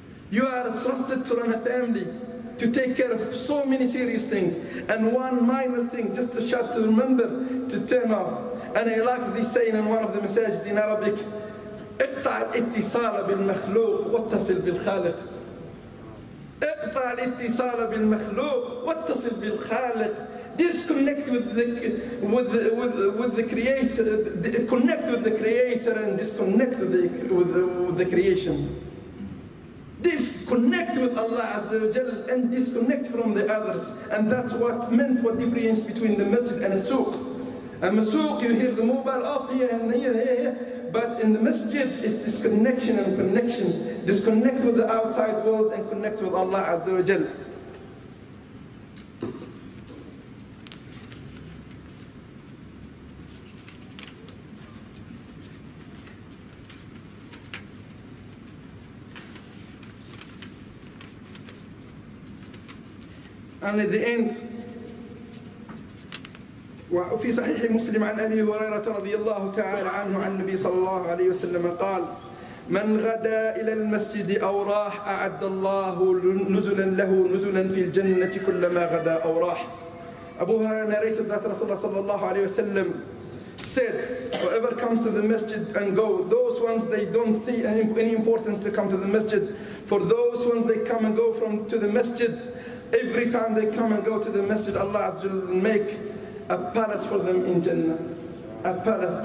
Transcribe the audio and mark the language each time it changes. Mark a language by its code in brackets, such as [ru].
[en] You are trusted to run a family, to take care of so many serious things, and one minor thing, just a shot to remember, to turn off. And I like this saying in one of the messages in Arabic, [ar] اقطع الاتصال بالمخلوق واتصل بالخالق. اقطع الاتصال بالمخلوق واتصل بالخالق. [en] Disconnect with the creator, connect with the creator and disconnect with the creation. Disconnect with Allah Azza wa Jal and disconnect from the others. And that's what difference between the masjid and a souq. A masouq, you hear the mobile off here and here. But in the masjid, it's disconnection and connection. Disconnect with the outside world and connect with Allah Azza wa Jal. And at the end, [ar] وفي صحيح مسلم عن أبي هريرة رضي الله تعالى عنه عن النبي صلى الله عليه وسلم قال من غدا إلى المسجد أو راح أعد الله نزلا له نزلا في الجنة كلما غدا أو راح. [en] أبو هريرة narrated that رسول الله [ar] صلى الله عليه وسلم [en] said, whoever comes to the masjid and go, those ones they don't see any importance to come to the masjid. For those ones they come and go from to the masjid, every time they come and go to the masjid, Allah will make a palace for them in Jannah. A palace.